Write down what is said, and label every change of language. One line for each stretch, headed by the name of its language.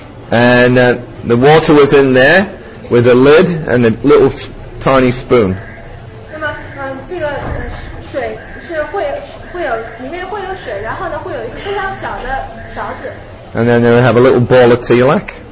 English: And the water was in there with a lid and a little tiny spoon.
Chinese: 那么，这个水是会有里面会有水，然后呢会有一个非常小的勺子。
English: And then they have a little ball of tilak.